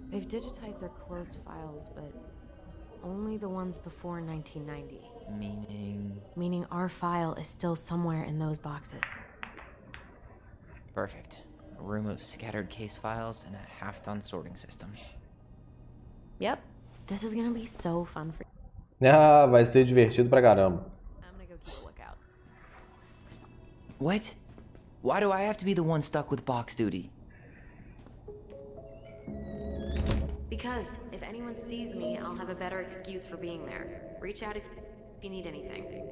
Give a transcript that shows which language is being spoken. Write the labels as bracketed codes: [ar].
[en] They've digitized their closed files, but only the ones before 1990. Meaning our file is still somewhere in those boxes. Perfect. A room of scattered case files and a half-done sorting system. Yep. This is gonna be so fun for you. [pt] Ah, vai ser divertido pra caramba. [en] I'm gonna go keep a lookout. What? Why do I have to be the one stuck with box duty? Because if anyone sees me, I'll have a better excuse for being there. Reach out if you need anything.